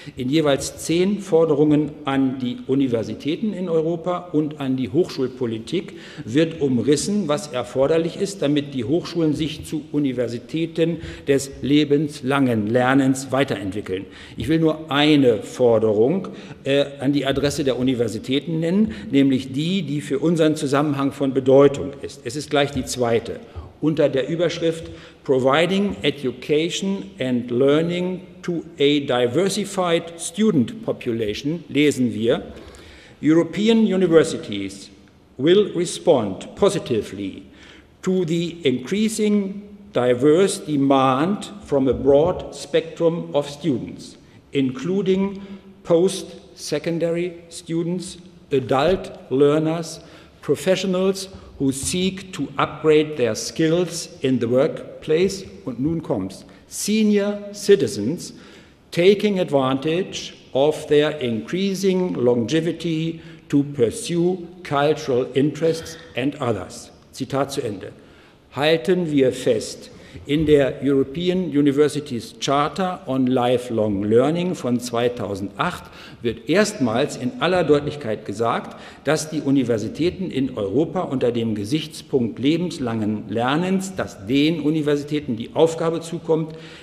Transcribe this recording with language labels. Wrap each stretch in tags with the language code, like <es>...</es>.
<de>In jeweils 10 Forderungen an die Universitäten in Europa und an die Hochschulpolitik wird umrissen, was erforderlich ist, damit die Hochschulen sich zu Universitäten des lebenslangen Lernens weiterentwickeln. Ich will nur eine Forderung an die Adresse der Universitäten nennen, nämlich die für unseren Zusammenhang von Bedeutung ist. Es ist gleich die zweite. Unter der Überschrift</de> <en>Providing Education and Learning to a Diversified Student Population</en> <de>lesen wir:</de> <en>European universities will respond positively to the increasing diverse demand from a broad spectrum of students, including post-secondary students, adult learners, professionals who seek to upgrade their skills in the workplace,</en> <de>und nun kommt's,</de> <en>senior citizens taking advantage of their increasing longevity to pursue cultural interests and others.</en> <de>Zitat zu Ende. Halten wir fest, in der European Universities Charter on Lifelong Learning von 2008 wird erstmals in aller Deutlichkeit gesagt, dass die Universitäten in Europa unter dem Gesichtspunkt lebenslangen Lernens, dass den Universitäten die Aufgabe zukommt,</de>